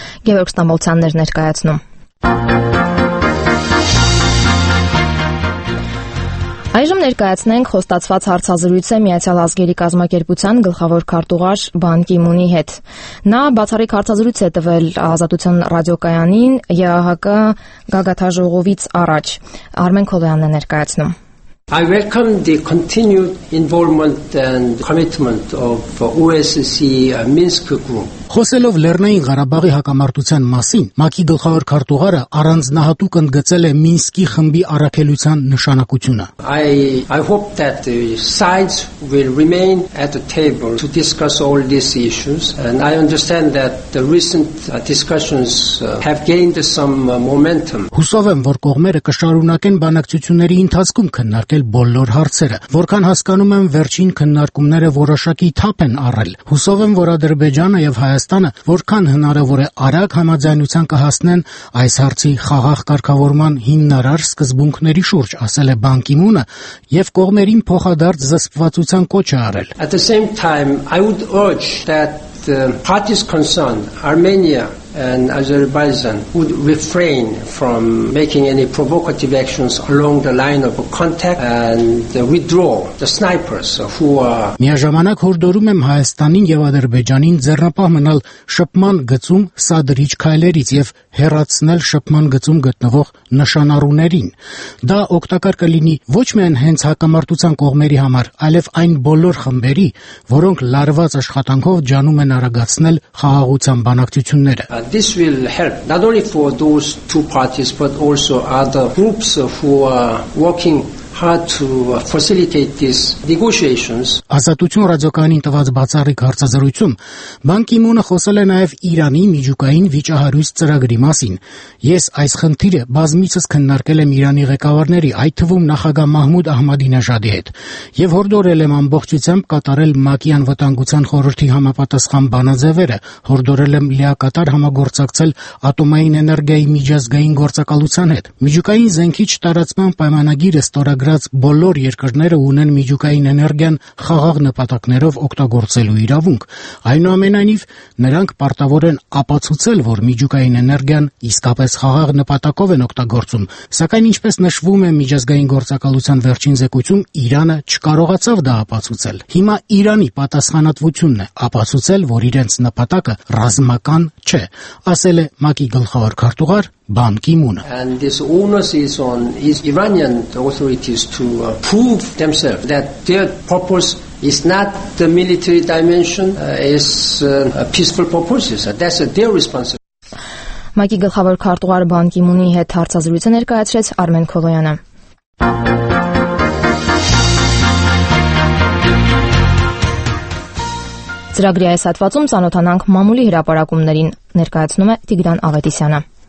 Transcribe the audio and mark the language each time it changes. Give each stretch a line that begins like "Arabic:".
Armenian: Գևորգ Ստամոլցյաններ ներկայացնում։ Այժմ ներկայացնենք խոստացված հարցազրույցը Միացյալ Ազգերի Կազմակերպության գլխավոր քարտուղար Բան Կի-մունի հետ։ Նա բացառիկ հարցազրույց է տվել Ազատության ռադիոկայանին ՀՀԿ գագաթաժողովից առաջ։ Արմեն Քոլոյանն է ներկայացնում։
English: I welcome the continued involvement and commitment of OSCE Minsk group.
Armenian: Խոսելով Լեռնային Ղարաբաղի հակամարտության մասին, ՄԱԿ-ի գլխավոր քարտուղարը առանձնահատուկ ընդգծել է Մինսկի խմբի առաքելության նշանակությունը.
English: I hope that the sides will remain at the table to discuss all these issues and I understand that the recent discussions have gained some momentum.
Armenian: Հուսով եմ, որ կողմերը կշարունակեն բանակցությունների ընթացքում քննարկել բոլոր հարցերը, որքան հասկանում եմ, վերջին քննարկումները որոշակի թափ են առել։ Հուսով եմ, որ Ադրբեջանը եւ Հայաստանը Հայաստանը որքան հնարավոր է արագ համաձայնության կհասնեն այս հարցի խաղաղ կարգավորման հիմնարար սկզբունքների շուրջ, ասել է Բան Կի-մունը, և կողմերին փոխադարձ զսպվածության կոչ է արել։
English: At the same time, I would urge that the parties concerned, Armenia and Azerbaijan, would refrain from making any provocative actions along the line of contact and withdraw the snipers who are.
Armenian: Միաժամանակ հորդորում եմ Հայաստանին և Ադրբեջանին ձեռնապահ մնալ շփման գծում սադրիչ քայլերից և հեռացնել շփման գծում գտնվող նշանառուներին։ Դա օգտակար կլինի ոչ միայն հենց հակամարտության կողմերի համար, այլև այն բոլոր խմբերի, որոնք լարված աշխատանքով ջանում են արագացնել խաղաղության բանակցությունները։
English: This will help not only for those two parties, but also other groups who are working hard to facilitate these negotiations.
Armenian: Ազատություն ռադիոկայանին տված բացառիկ հարցազրույցում Բան Կի-մունը խոսել է նաև Իրանի միջուկային վիճահարույց ծրագրի մասին. Ես այս խնդիրը բազմիցս քննարկել եմ Իրանի ղեկավարների, այդ թվում նախագահ Մահմուդ Ահմադինեժադի հետ, և հորդորել եմ ամբողջությամբ կատարել ՄԱԿ-ի անվտանգության խորհրդի համապատասխան բանաձևերը, հորդորել եմ լիակատար համագործակցել ատոմային էներգիայի միջազգային գործակալության հետ։ Միջուկային զենքի չտարածման պայմանագիրը ստորագրած բոլոր երկրները ունեն միջուկային էներգիան խաղաղ նպատակներով օգտագործելու իրավունք։ Այնուամենայնիվ, նրանք պարտավոր են ապացուցել, որ միջուկային էներգիան իսկապես խաղաղ նպատակով են օգտագործում, սակայն, ինչպես նշվում է միջազգային գործակալության վերջին զեկույցում, Իրանը չկարողացավ դա ապացուցել։ Հիմա Իրանի պատասխանատվությունն է ապացուցել, որ իրենց նպատակը ռազմական չէ, ասել է ՄԱԿ-ի գլխավոր քարտուղար Բան Կի-մունը.
English: And this onus is on Iranian authorities to prove themselves that their purpose is not the military dimension, is a peaceful purpose. That's their responsibility.
Armenian: ՄԱԿ-ի գլխավոր քարտուղար Բան Կի-մունի հետ հարցազրույցը ներկայացրեց Արմեն Քոլոյանը։ Ծրագրի այս հատվածում ծանոթանանք մամուլի հրապարակումներին, ներկայացնում է Տիգրան Ավետիսյանը։